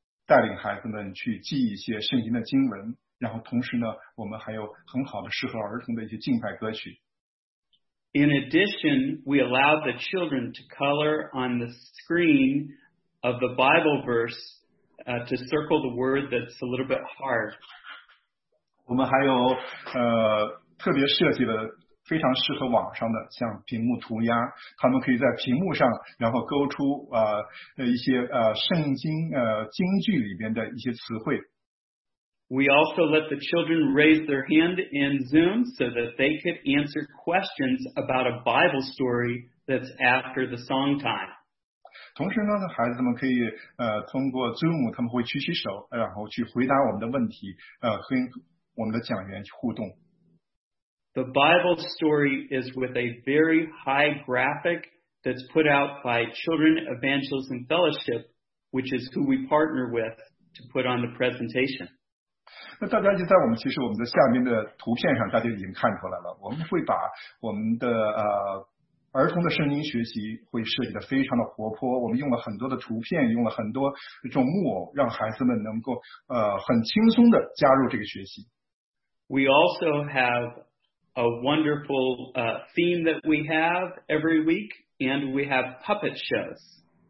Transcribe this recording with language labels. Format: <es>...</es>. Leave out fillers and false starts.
<zh>我们教孩子们如何祷告，然后我们会带领孩子们去记一些圣经的经文。然后同时呢，我们还有很好的诗和儿童的一些敬拜歌曲。</zh> <en>In addition, we allow the children to color on the screen of the Bible verse to circle the word that's a little bit hard.</en> <zh>我们还有特别设计的非常适合网上的，像屏幕涂鸦，他们可以在屏幕上，然后勾出一些圣经经句里边的一些词汇。</zh> <en>We also let the children raise their hand in Zoom so that they could answer questions about a Bible story that's after the song time.</en> <zh>同时呢，孩子们可以通过 Zoom， 他们会举起手，然后去回答我们的问题，跟我们的讲员去互动。The</zh> <en>Bible story is with a very high graphic that's put out by Children Evangelism Fellowship, which is who we partner with to put on the presentation.</en> <zh>那大家就在我们其实我们的下面的图片上，大家已经看出来了。我们会把我们的儿童的圣经学习会设计的非常的活泼。我们用了很多的图片，用了很多这种木偶，让孩子们能够很轻松的加入这个学习。We</zh> <en>also have a wonderful theme that we have every week, and we have puppet shows.</en>